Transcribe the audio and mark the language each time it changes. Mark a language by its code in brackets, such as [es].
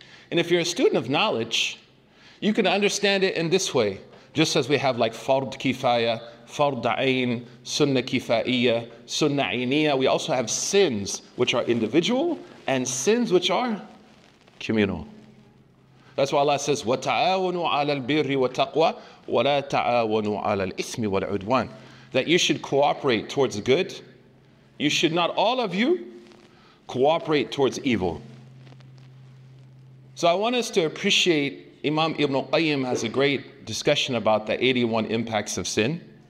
[en] And if you're a student of knowledge, you can understand it in this way. Just as we have like Fard Kifaya, Fard Ain, Sunnah Kifaiya, Sunnah Ainiya, we also have sins which are individual and sins which are communal. That's why Allah says, [ar] وَتَعَاوَنُوا عَلَى الْبِرِّ وَتَقْوَى وَلَا تَعَاوَنُوا عَلَى الْإِثْمِ وَالْعُدْوَانِ. [en] That you should cooperate towards good. You should not, all of you, cooperate towards evil. So I want us to appreciate Imam Ibn Qayyim has a great discussion about the 81 impacts of sin.